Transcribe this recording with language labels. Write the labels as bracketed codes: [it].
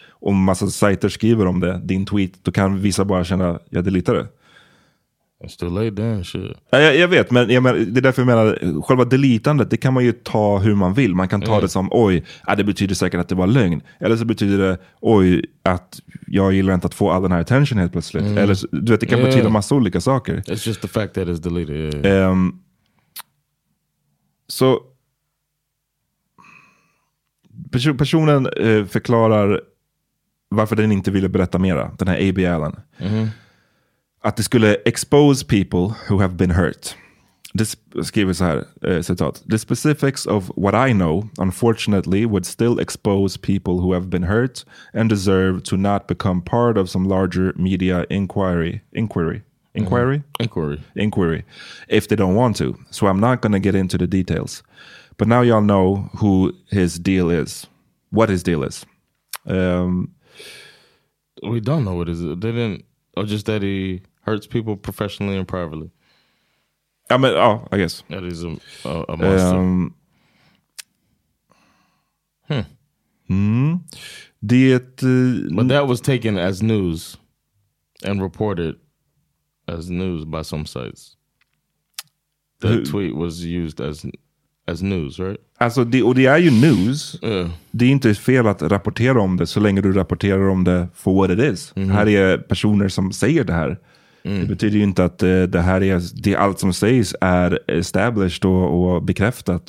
[sv] Om massa sajter skriver om det, din tweet, då kan vissa bara känna, jag deletar det. [en] It's too late then, shit. [sv] Jag vet, men det är därför jag menar, själva deletandet, det kan man ju ta hur man vill. Man kan ta det som, oj, det betyder säkert att det var lögn. Eller så betyder det, oj, att jag gillar inte att få all den här attention helt plötsligt. Eller, du vet, det kan betyda massa olika saker. [en] It's just the fact that it's deleted, yeah. [sv] Så... Personen förklarar... Varför den inte ville berätta mera, den här A.B. Allen. Mm-hmm. Att det skulle [en] expose people who have been hurt. [sv] Det skriver så här, citat. [en] The specifics of what I know, unfortunately, would still expose people who have been hurt and deserve to not become part of some larger media inquiry. If they don't want to. So I'm not going to get into the details. But now y'all know who his deal is. What his deal is. We don't know what it is. They didn't, or just that he hurts people professionally and privately. [sv] Ja, men ja, [en] I guess. [sv] Ja, det är som [en] a monster. [sv] Det... [en] But that was taken as news and reported as news by some sites. The tweet was used as news, right? [sv] Alltså, det, och det är ju news. Det är inte fel att rapportera om det så länge du rapporterar om det [en] for what it is. [sv] Mm-hmm. Här är personer som säger det här. Mm. Det betyder ju inte att det här är det, allt som sägs är established och bekräftat.